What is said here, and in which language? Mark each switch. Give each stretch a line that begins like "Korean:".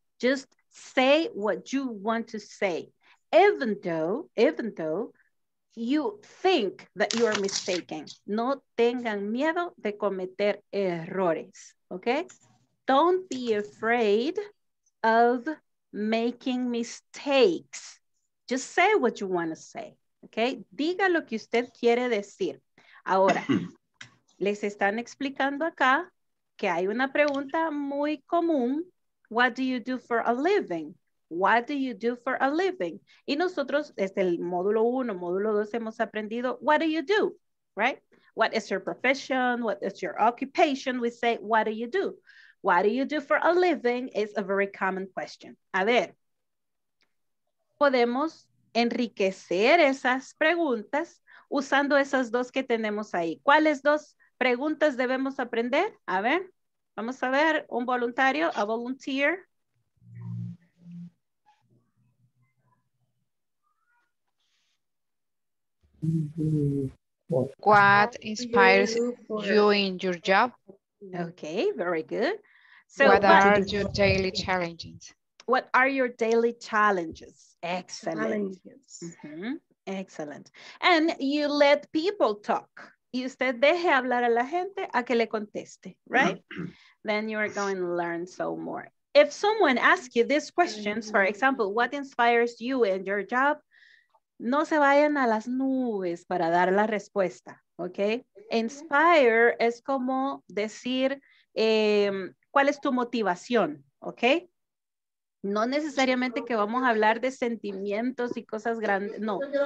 English: Just say what you want to say, even though you think that you are mistaken.
Spanish: No tengan miedo de cometer errores, okay?
English: Don't be afraid of making mistakes. Just say what you want to say, okay?
Spanish: Diga lo que usted quiere decir. Ahora, les están explicando acá que hay una pregunta muy común.
English: What do you do for a living? What do you do for a living?
Spanish: Y nosotros, desde el módulo 1, módulo 2, hemos aprendido,
English: what do you do, right? What is your profession? What is your occupation? We say, what do you do? What do you do for a living is a very common question.
Spanish: A ver, podemos enriquecer esas preguntas usando esas dos que tenemos ahí. ¿Cuáles dos preguntas debemos aprender? A ver. Vamos a ver, un voluntario,
English: a volunteer. What inspires you in your job? Okay, very good. So what are your daily challenges? What are your daily challenges? Excellent. Mm-hmm. Excellent. And you let people talk.
Spanish: Y usted deje hablar a la gente a que le conteste, right?
English: Then you are going to learn so more. If someone asks you these questions, for example, what inspires you in your job?
Spanish: No se vayan a las nubes para dar la respuesta, okay? Inspire es como decir, ¿cuál es tu motivación? Okay? No necesariamente que vamos a hablar de sentimientos y cosas grandes, no.